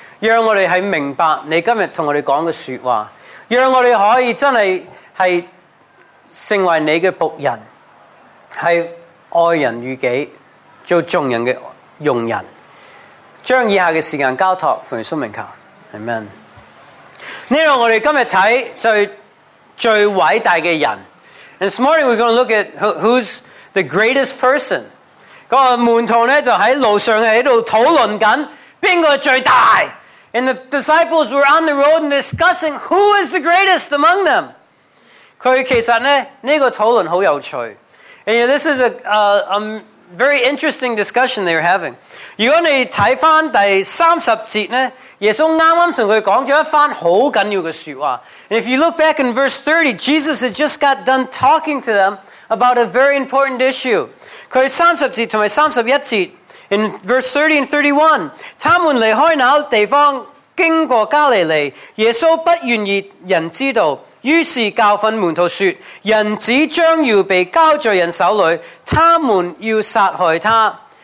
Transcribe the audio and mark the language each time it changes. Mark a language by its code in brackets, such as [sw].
[zh] 让我们明白你今天跟我们说的说话，让我们可以真的成为你的仆人，是爱人如己，做众人的佣人。将以下的时间交托，奉耶稣名求， Amen. 这个我们今天看最伟大的人。 [en] And this morning we're going to look at who's the greatest person. [zh] 门徒就在路上讨论谁最大。 [en] And the disciples were on the road and discussing who is the greatest among them. [zh] 其实呢,这个讨论很有趣. [en] And you know, this is a very interesting discussion they were having. [zh] 如果你看回第30节呢, 耶稣刚刚跟他讲了一番很重要的说话. [en] And if you look back in verse 30, Jesus had just got done talking to them about a very important issue. [zh] 他30节和31节, [en] in verse 30 and 31, [zh] 他们离开那地方, 经过加利利, 耶稣不愿意人知道, 于是教训门徒说, 人子将要被交在人手里, 他们要杀害他,